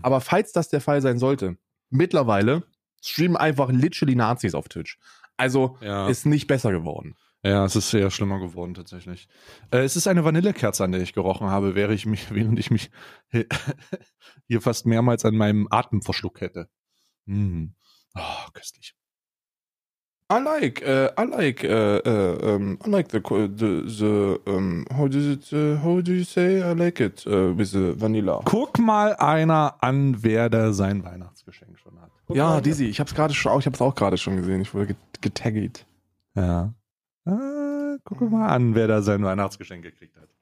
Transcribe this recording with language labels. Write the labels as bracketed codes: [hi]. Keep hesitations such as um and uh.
[de] Aber falls das der Fall sein sollte, mittlerweile streamen einfach literally Nazis auf Twitch. Also ja. ist nicht besser geworden. Ja, es ist sehr schlimmer geworden tatsächlich. es ist eine Vanillekerze, an der ich gerochen habe, während ich mich, während ich mich hier fast mehrmals an meinem Atem verschluckt hätte. Oh, köstlich. [en] I like, uh, I like, uh, uh, um, I like the, the, the um, how does it, how do you say, I like it with the vanilla. [de] Guck mal einer an, wer da sein Weihnachtsgeschenk schon hat. Guck ja, gerade. Dizzy, ich hab's gerade schon, auch, ich hab's auch gerade schon gesehen. Ich wurde getaggt. Ja. Ah, guck mal an, wer da sein Weihnachtsgeschenk gekriegt hat.